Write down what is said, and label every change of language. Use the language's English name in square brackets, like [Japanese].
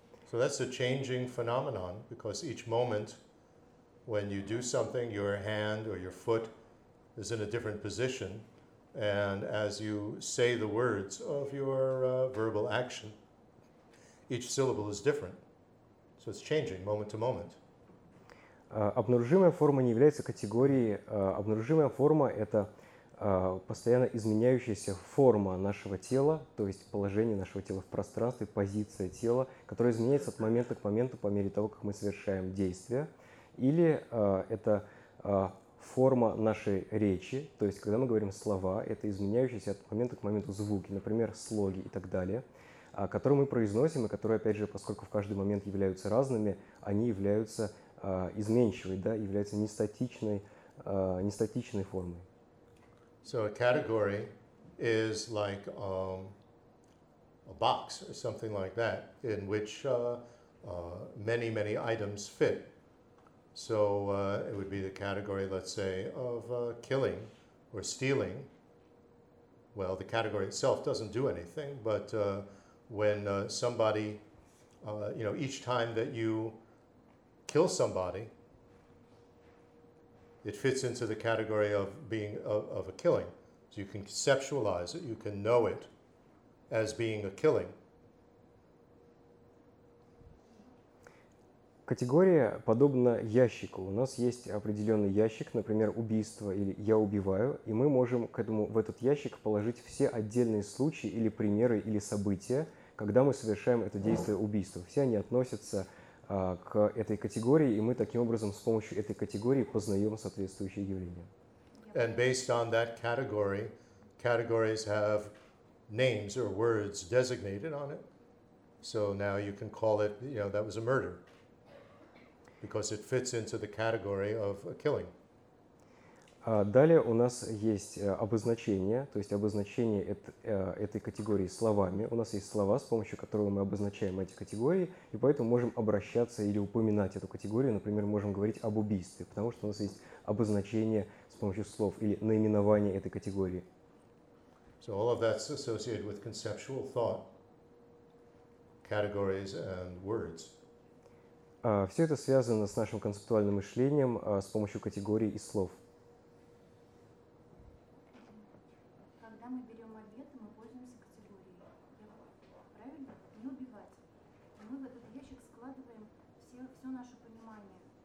[English] So that's a changing phenomenon, because each moment when you do something, your hand or your foot is in a different position, and as you say the words of your verbal action, each syllable is different. So it's changing moment to moment. [Russian] Обнаружимая форма не является категорией. Обнаружимая форма – это постоянно изменяющаяся форма нашего тела, то есть положение нашего тела в пространстве, позиция тела, которая изменяется от момента к моменту по мере того, как мы совершаем действие. Или это форма нашей речи, то есть когда мы говорим слова, это изменяющиеся от момента к моменту звуки, например, слоги и так далее, которые мы произносим, и которые, опять же, поскольку в каждый момент являются разными, они являются изменчивой, да, являются нестатичной формой. [English] So a category is like a box or something like that, in which many, many items fit. So it would be the category, let's say, of killing or stealing. Well, the category itself doesn't do anything, but when somebody, you know, each time that you kill somebody, it fits into the category of being of a killing. So you can conceptualize it, you can know it as being a killing. [Russian] Категория подобна ящику. У нас есть определенный ящик, например, убийство или я убиваю, и мы можем к этому в этот ящик положить все отдельные случаи или примеры или события, когда мы совершаем это действие убийства. Все они относятся к этой категории, и мы таким образом с помощью этой категории познаем соответствующее явление. [English] And based on that category, categories have names or words designated on it. So now you can call it, you know, that was a murder. Because it fits into the category of a killing. [Russian] Далее у нас есть обозначение, то есть обозначение этой категории словами. У нас есть слова, с помощью которых мы обозначаем эти категории, и поэтому можем обращаться или упоминать эту категорию. Например, можем говорить об убийстве, потому что у нас есть обозначение с помощью слов или наименование этой категории. [English] So all of that's associated with conceptual thought, categories and words. [Russian] Все это связано с нашим концептуальным мышлением с помощью категорий и слов. Когда мы берем обед, мы пользуемся категорией. Правильно? Не убивать. И мы в этот ящик складываем все наше понимание.